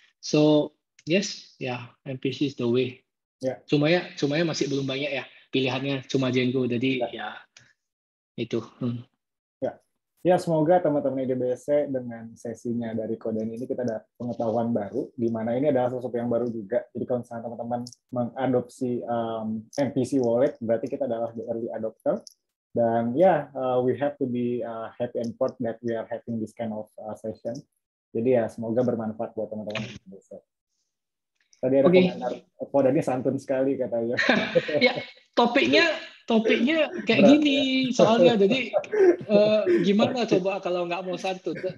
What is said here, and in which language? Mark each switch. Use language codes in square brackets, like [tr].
[en] So yes, yeah, MPC is the way. Yeah. [id] Cuma ya masih belum banyak ya pilihannya, cuma Django, jadi ya itu. Ya, semoga teman-teman IDBC dengan sesinya dari Kodani ini kita dapat pengetahuan baru, di mana ini adalah sesuatu yang baru juga. Jadi kalau misalnya teman-teman mengadopsi MPC Wallet, berarti kita adalah [en] the early adopter. [id] Dan ya, [en] we have to be happy and proud that we are having this kind of session. [id] Jadi ya semoga bermanfaat buat teman-teman di Indonesia. Tadi ada komentar, kodenya santun sekali katanya. Ya, topiknya kayak berat, gini ya. Soalnya jadi gimana coba kalau nggak mau santun?